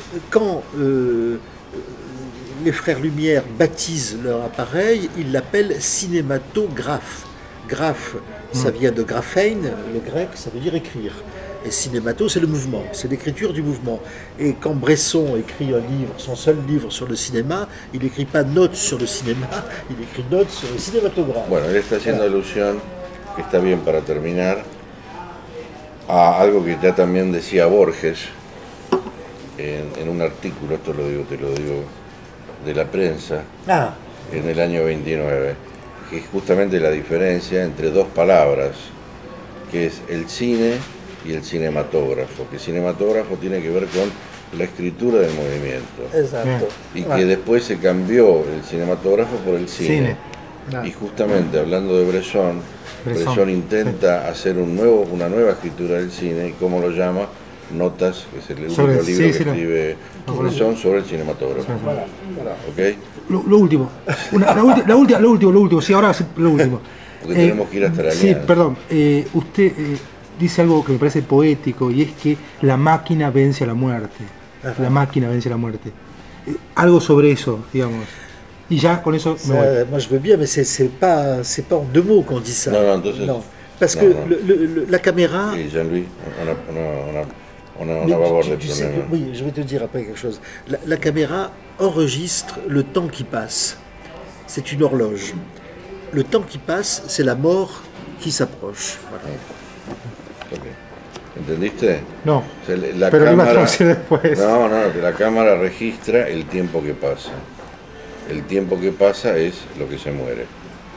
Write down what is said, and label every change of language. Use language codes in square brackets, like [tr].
[fr] quand les frères Lumière baptisent leur appareil, ils l'appellent cinématographe. Graphe, ça vient de graphein, le grec, ça veut dire écrire. Et cinémato, c'est le mouvement, c'est l'écriture du mouvement. Et quand Bresson écrit un livre, son seul livre sur le cinéma, il n'écrit pas notes sur le cinéma, il écrit notes sur le cinématographe. [es] Bueno, él está haciendo alusión, que está bien para terminar, a algo que ya también decía Borges en un artículo, esto te lo digo, de la prensa, en el año 29, que es justamente la diferencia entre dos palabras, que es el cine y el cinematógrafo, que cinematógrafo tiene que ver con la escritura del movimiento. Exacto. Y que después se cambió el cinematógrafo por el cine. Cine. Y justamente hablando de Bresson, Bresson intenta hacer un nuevo, una nueva escritura del cine, y como lo llama, Notas, que es el único sobre, libro sí, que sí, escribe no. Bresson sobre el cinematógrafo. Sí, sí. ¿Okay? Lo último. Sí, ahora lo último. Porque tenemos que ir hasta la línea. Sí, perdón. Usted dice algo que me parece poético, y es que la máquina vence a la muerte. Ajá. La máquina vence a la muerte. Algo sobre eso, digamos. Y ya con eso. [fr] Ça, moi je veux bien, mais c'est pas en deux mots qu'on dit ça. Non. Parce que la caméra. Oui, Jean-Louis, on va voir le problème. Oui, je vais te dire après quelque chose. La caméra enregistre le temps qui passe. C'est une horloge. Le temps qui passe, c'est la mort qui s'approche. Voilà. Ok. [es] Entendiste? [fr] Non. [es] La caméra registra el tiempo que pasa. El tiempo que pasa es lo que se muere.